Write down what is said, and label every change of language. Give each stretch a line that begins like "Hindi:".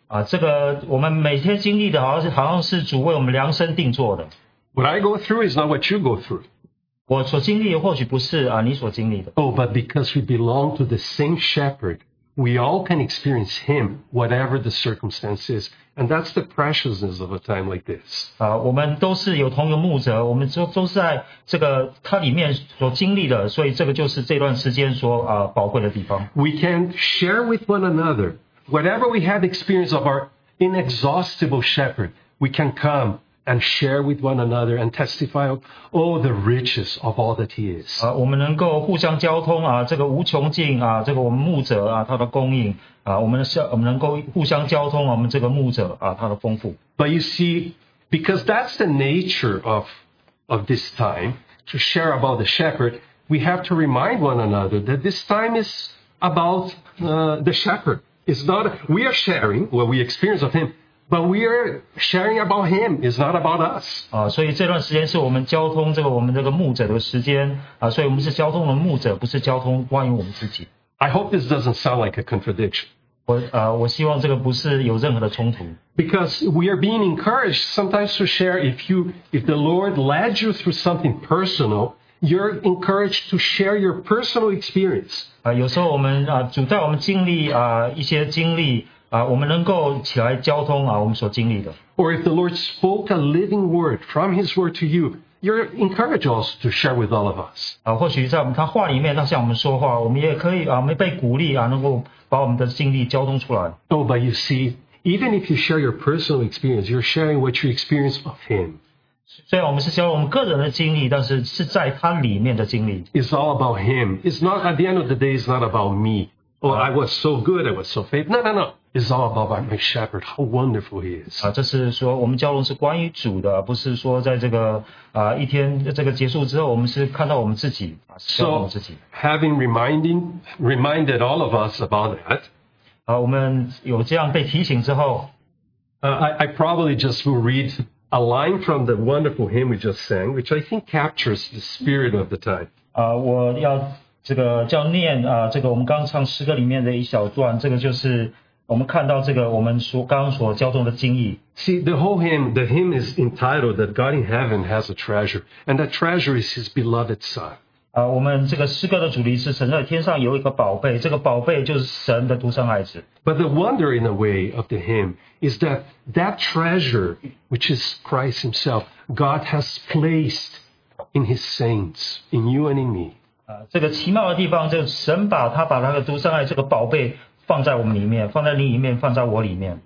Chinese: 这个我们每天经历的好像是主为我们量身定做的。
English: What I go through is not what you go through.
Chinese: 我所经历的或许不是你所经历的。
English: Oh, but because we belong to the same shepherd, we all can experience him, whatever the circumstance is. And that's the preciousness of a time like this.
Chinese: 我们都是有同一个牧者，我们都是在这个他里面所经历的，所以这个就是这段时间所宝贵的地方。
English: We can share with one another whatever we have experienced of our inexhaustible shepherd. We can come and share with one another and testify all the riches of all that he is.
Chinese: 我们能够互相交通啊，这个无穷尽啊，这个我们牧者啊，他的供应啊，我们能够互相交通，我们这个牧者啊，他的丰富。
English: But you see, because that's the nature of this time to share about the shepherd, we have to remind one another that this time is about the shepherd. It's not we are sharing what we experience of him. But we are sharing about him. It's not about us.
Chinese: 所以这段时间是我们交通这个我们这个牧者的时间啊，所以我们是交通了牧者，不是交通关于我们自己。
English: I hope this doesn't sound like a contradiction.
Chinese: 我希望这个不是有任何的冲突。
English: Because we are being encouraged sometimes to share. If the Lord led you through something personal, you're encouraged to share your personal experience.
Chinese: 有时候我们主带我们经历一些经历。我们能够起来交通啊，我们所经历的。
English: Or if the Lord spoke a living word from His word to you, you're encouraged also to share with all of us.
Chinese: 或许在他话里面，他向我们说话，我们也可以啊，没被鼓励啊，能够把我们的经历交通出来。
English: Oh, but you see, even if you share your personal experience, you're sharing what you experience of Him.
Chinese: 虽然我们是交我们个人的经历，但是是在他里面的经历。
English: It's all about Him. It's not at the end of the day. It's not about me. Oh, I was so good, I was so faithful. No, no, no. It's all about my shepherd. How wonderful he is.
Chinese: 这是说我们交通是关于主的，不是说在这个一天这个结束之后，我们是看到我们自己，是看到我们自己。
English: So, having reminded all of us about that,
Chinese: 我们有这样被提醒之后
English: I probably just will read a line from the wonderful hymn we just sang, which I think captures the spirit of the time.
Chinese: 我要这个叫念这个我们刚唱诗歌里面的一小段，这个就是我们看到这个我们所刚刚所交通的经义。
English: See, the whole hymn, the hymn is entitled that God in heaven has a treasure, and that treasure is his beloved son.
Chinese: 我们这个诗歌的主题是神在天上有一个宝贝，这个宝贝就是神的独生爱子。
English: But the wonder in a way of the hymn is that that treasure, which is Christ himself, God has placed in his saints, in you and in me.
Chinese: 这个奇妙的地方就是神把他的独生爱这个宝贝放在我们里面，放在你里面，放在我里面。